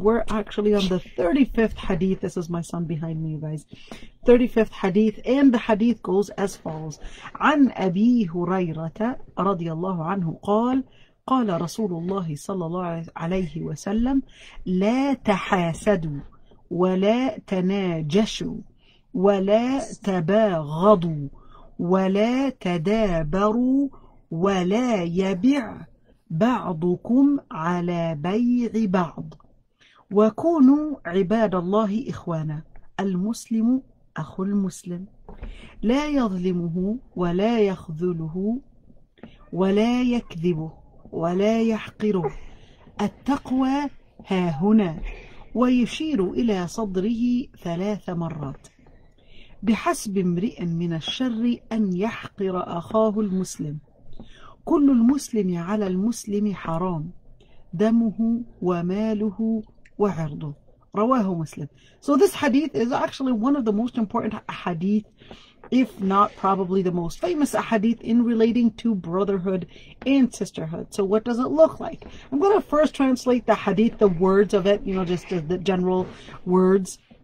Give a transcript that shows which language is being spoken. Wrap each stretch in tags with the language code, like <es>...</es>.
<en>We're actually on the 35th hadith. This is my son behind me, you guys. 35th hadith. And the hadith goes as follows.</en> <ar>عن أبي هريرة رضي الله عنه قال قال رسول الله صلى الله عليه وسلم لا تحاسدوا ولا تناجشوا ولا تباغضوا ولا تدابروا ولا يبع بعضكم على بيع بعض وكونوا عباد الله إخوانا المسلم أخو المسلم لا يظلمه ولا يخذله ولا يكذبه ولا يحقره التقوى ها هنا ويشير إلى صدره ثلاث مرات بحسب امرئ من الشر أن يحقر أخاه المسلم كل المسلم على المسلم حرام دمه وماله وعرضه رواه مسلم.</ar> <en>So this hadith is actually one of the most important hadith, if not probably the most famous hadith in relating to brotherhood and sisterhood. So what does it look like? I'm going to first translate the hadith, the words of it, you know, just the general words.</en>